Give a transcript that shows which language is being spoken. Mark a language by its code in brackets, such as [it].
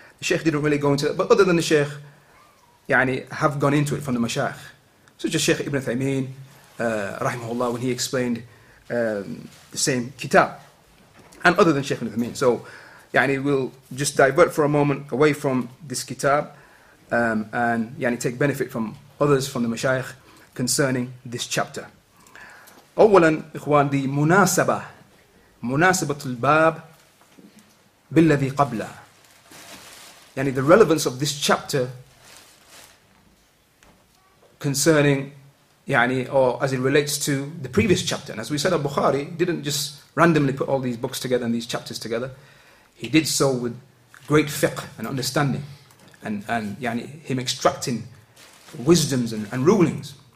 [en] The Shaykh didn't really go into that, but other than the Shaykh, have gone into it from the Mashaykh, such as Shaykh Ibn Thaymeen, rahimahullah, when he explained the same kitab, and other than Shaykh Ibn Thaymeen. So, we'll just divert for a moment away from this kitab, and take benefit from others from the Mashaykh concerning this chapter. [ar] أولاً إخوان دي مناسبة مناسبة الباب بالذي قبله. [en] The relevance of this chapter concerning, or as it relates to the previous chapter. And as we said, al-Bukhari didn't just randomly put all these books together and these chapters together. He did so with great fiqh and understanding, and him extracting wisdoms and rulings.